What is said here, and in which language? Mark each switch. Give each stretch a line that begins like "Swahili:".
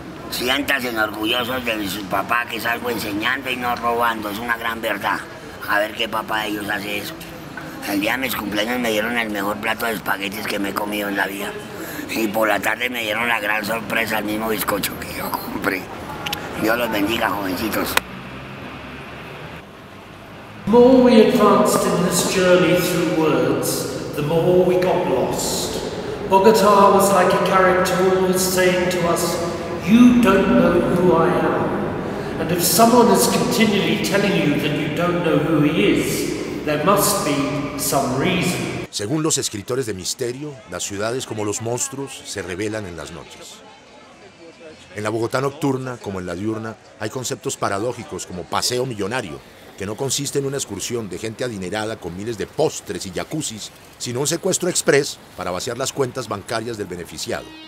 Spanish: Siéntanse orgullosos de su papá, que es algo enseñando y no robando. Es una gran verdad. A ver qué papá de ellos hace eso. El día de mis cumpleaños me dieron el mejor plato de espaguetis que me he comido en la vida. Y por la tarde me dieron la gran sorpresa, el mismo bizcocho que yo compré. Dios los bendiga, jovencitos.
English: The more we advanced in this journey through words, the more we got lost. Bogota was like a character always saying to us, you don't know who I am. And if someone is continually telling you that you don't know who he is, there must be some reason.
Spanish: Según los escritores de misterio, las ciudades como los monstruos se revelan en las noches. En la Bogotá nocturna, como en la diurna, hay conceptos paradójicos como paseo millonario, que no consiste en una excursión de gente adinerada con miles de postres y jacuzzis, sino un secuestro exprés para vaciar las cuentas bancarias del beneficiado.